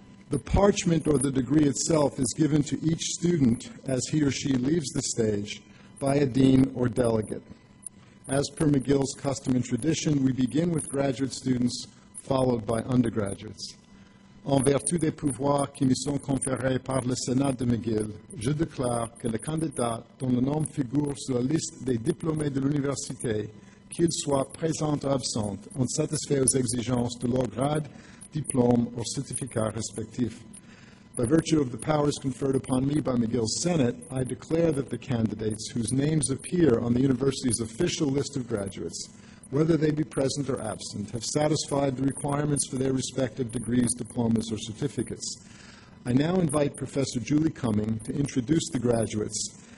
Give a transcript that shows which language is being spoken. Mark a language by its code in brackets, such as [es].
[en] The parchment or the degree itself is given to each student as he or she leaves the stage by a dean or delegate. As per McGill's custom and tradition, we begin with graduate students, followed by undergraduates. [fr] En vertu des pouvoirs qui me sont conférés par le Sénat de McGill, je déclare que le candidat dont le nom figure sur la liste des diplômés de l'université, qu'il soit présent ou absent, ont satisfait aux exigences de leur grade, diplôme ou certificat respectif. [en] By virtue of the powers conferred upon me by McGill's Senate, I declare that the candidates whose names appear on the university's official list of graduates, whether they be present or absent, have satisfied the requirements for their respective degrees, diplomas, or certificates. I now invite Professor Julie Cumming to introduce the graduates.